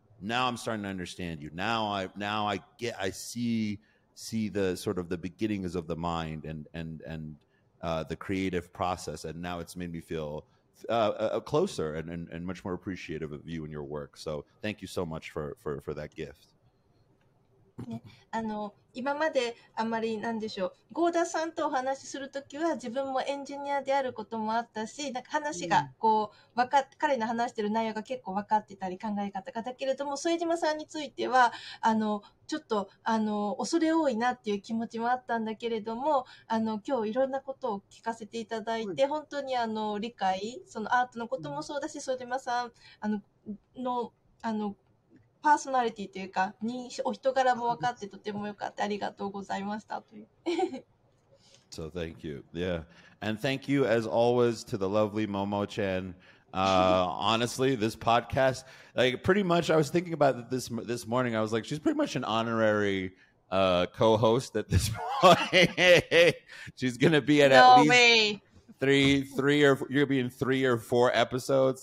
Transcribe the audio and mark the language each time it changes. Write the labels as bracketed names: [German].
[English] Now I'm starting to understand you. Now I see the sort of the beginnings of the mind and the creative process. And now it's made me feel closer and much more appreciative of you and your work. So thank you so much for that gift. [Japanese] ね、あの今まであまりなんでしょう、郷田さんとお話しするときは自分もエンジニアであることもあったし、なんか話がこう分かっ、彼の話してる内容が結構分かってたり考え方が、だけれども副島さんについてはあのちょっとあの恐れ多いなっていう気持ちもあったんだけれども、あの今日いろんなことを聞かせていただいて、本当にあの理解、そのアートのこともそうだし、副島さんあのパーソナリティというか、お人柄も分かってとても良かった、ありがとうございましたという。 [English] So thank you. Yeah. And thank you as always to the lovely Momo-chan. Honestly, this podcast, like pretty much, I was thinking about this morning, I was like, she's pretty much an honorary co-host at this point. She's going to be at least you're going to be in 3 or 4 episodes.